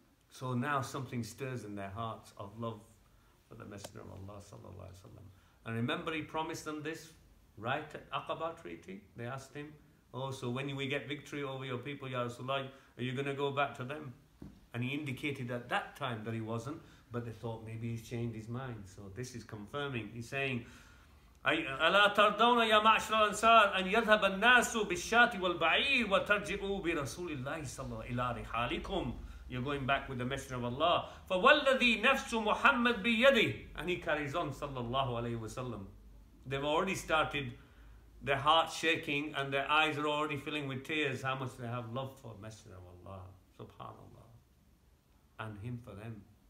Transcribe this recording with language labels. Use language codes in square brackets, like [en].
[en] So now something stirs in their hearts of love for the Messenger of Allah sallallahu alaihi wasallam. And remember, he promised them this right at Aqaba treaty. They asked him, oh, so when we get victory over your people, Ya Rasulullah, are you going to go back to them? And he indicated at that time that he wasn't, but they thought maybe he's changed his mind. So this is confirming. He's saying, [ar] أَلَا تَرْضَوْنَ يَا مَعْشَرَ الْأَنْصَارِ أَنْ يَذْهَبَ النَّاسُ بِالشَّاتِ وَالْبَعِيرِ وَتَرْجِعُوا بِرَسُولِ اللَّهِ صَلَّى إِلَىٰ رِحَالِكُمْ. [en] You're going back with the Messenger of Allah. [ar] فَوَلَّذِي نَفْسُ مُحَمَّدْ بِيَدِهِ. [en] And he carries on, sallallahu alayhi wa sallam. They've already started their hearts shaking and their eyes are already filling with tears. How much they have love for the Messenger of Allah, subhanAllah. And him for them.